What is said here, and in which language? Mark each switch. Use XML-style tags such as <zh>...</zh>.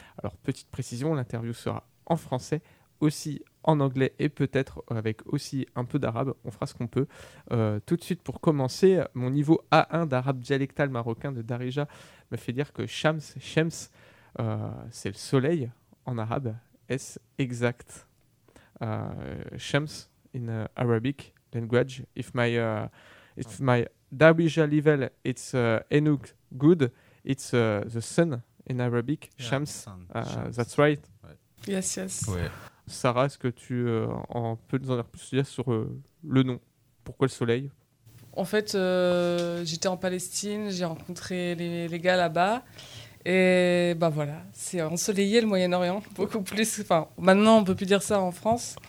<fr>Alors, petite précision, l'interview sera en français, aussi en anglais et peut-être avec aussi un peu d'arabe, on fera ce qu'on peut. Tout de suite, pour commencer, mon niveau A1 d'arabe dialectal marocain de Darija me fait dire que Shams, c'est le soleil en arabe, est-ce exact?</fr> <en>Shams in Arabic language, if my Darija level it's enough good, it's the sun in Arabic, Shams, that's right. Yes.</en> <fr>Ouais. Sarah, est-ce que tu peux nous en dire plus sur le nom? Pourquoi le soleil? En fait, j'étais en Palestine, j'ai rencontré les gars là-bas. Et voilà, c'est ensoleillé le Moyen-Orient, beaucoup plus. Enfin, maintenant, on ne peut plus dire ça en France.</fr>